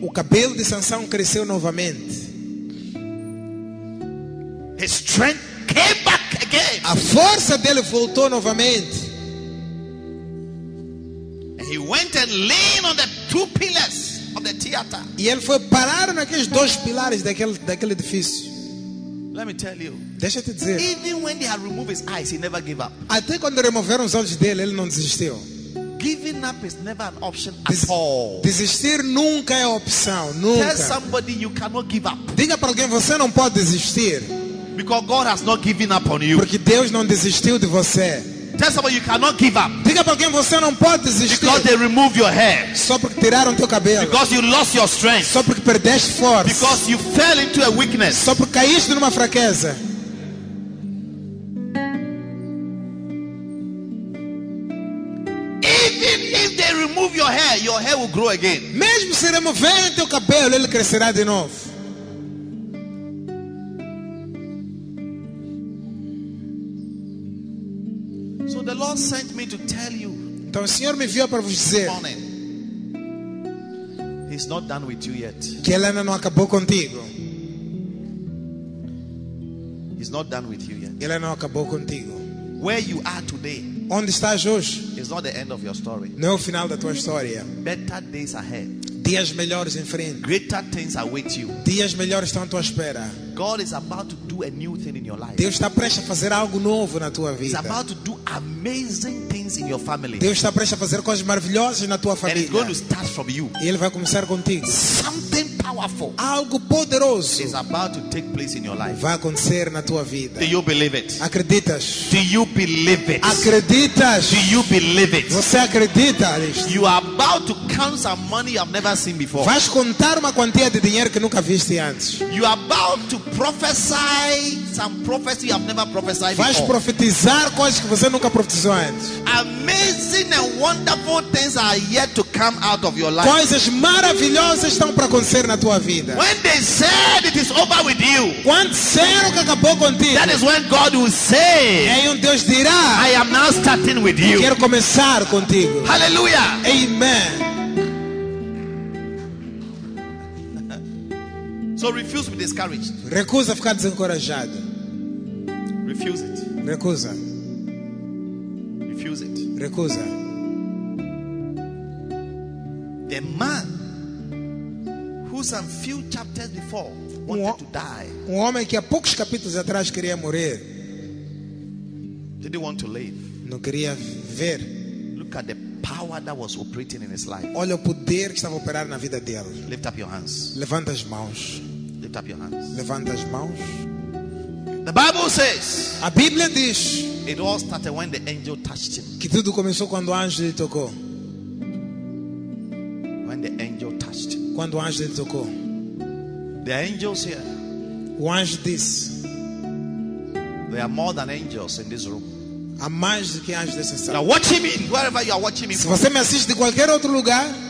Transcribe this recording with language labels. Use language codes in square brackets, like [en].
[pt] O cabelo de Sansão cresceu novamente. [en] His strength came back again. [pt] A força dele voltou novamente. [en] And he went and leaned on the two pillars of the theater. [pt] E ele foi parar naqueles dois pilares daquele edifício. [en] Let me tell you. [pt] Deixa eu te dizer. [en] Even when they had removed his eyes, he never gave up. [pt] Até quando removeram os olhos dele, ele não desistiu. [en] Giving up is never an option at all. [pt] Desistir nunca é opção, nunca. [en] Tell somebody you cannot give up. [pt] Diga para alguém você não pode desistir. [en] Because God has not given up on you. [pt] Porque Deus não desistiu de você. [en] Tell somebody you cannot give up. [pt] Diga para alguém você não pode desistir. [en] Because they removed your hair. [pt] Só porque tiraram teu cabelo. [en] Because you lost your strength. [pt] Só porque perdeste força. [en] Because you fell into a weakness. [pt] Só porque caíste numa fraqueza. [en] Even if they remove your hair will grow again. [pt] Mesmo se removerem teu cabelo, ele crescerá de novo. [en] The Lord sent me to tell you. [pt] Então o Senhor me enviou para vos dizer. [en] Morning, he's not done with you yet. [pt] Que ele ainda não acabou contigo. [en] He's not done with you yet. [pt] Ele ainda não acabou contigo. [en] Where you are today. [pt] Onde estás hoje? [en] It's not the end of your story. [pt] Não é o final da tua história. [en] Better days ahead. [pt] Dias melhores em frente. [en] Greater things await you. [pt] Dias melhores estão à tua espera. [en] God is about to do a new thing in your life. [pt] Deus está prestes a fazer algo novo na tua vida. [en] He's about to do amazing things in your family. [pt] Deus está prestes a fazer coisas maravilhosas na tua família. [en] And it's going to start from you. [pt] E ele vai começar contigo. [en] Something powerful. [pt] Algo poderoso. [en] Is about to take place in your life. [pt] Vai acontecer na tua vida. [en] Do you believe it? [pt] Acreditas? [en] Do you believe it? [pt] Acreditas? [en] Do you believe it? [pt] Você acredita nisto? [en] You are about to count some money you have never seen before. [pt] Vais contar uma quantia de dinheiro que nunca viste antes. [en] You are about to prophesy some prophecy you have never prophesied before. [pt] Vais profetizar coisas que você nunca profetizou antes. [en] Amazing and wonderful things are yet to come out of your life. [pt] Coisas maravilhosas estão para acontecer na tua vida. [en] When they said it is over with you. [pt] Quando disseram que acabou contigo. [en] That is when God will say. [pt] E aí Deus dirá. [en] I am now starting with you. [pt] Quero começar contigo. [en] Hallelujah. [pt] Amen. [en] So refuse to be discouraged. [pt] Recusa ficar desencorajado. [en] Refuse it. [pt] Recusa. [en] Refuse it. [pt] Recusa. [en] The man who some few chapters before wanted to die. [pt] Um homem que há poucos capítulos atrás queria morrer. [en] Didn't want to live. [pt] Não queria ver. [en] Look at the power that was operating in his life. [pt] Olha o poder que estava a operar na vida dele. [en] Lift up your hands. [pt] Levanta as mãos. [en] Lift up your hands. [pt] Levanta as mãos. [en] The Bible says. [pt] A Bíblia diz. [en] It all started when the angel touched him. [pt] Que tudo começou quando o anjo lhe tocou. [en] When the angel touched him. [pt] Quando o anjo lhe tocou. [en] The angels here. [pt] O anjo disse. [en] There are more than angels in this room. [pt] Há mais do que anjos nessa sala. [en] Now watch me wherever you are watching me. [pt] Se você me assiste de qualquer outro lugar.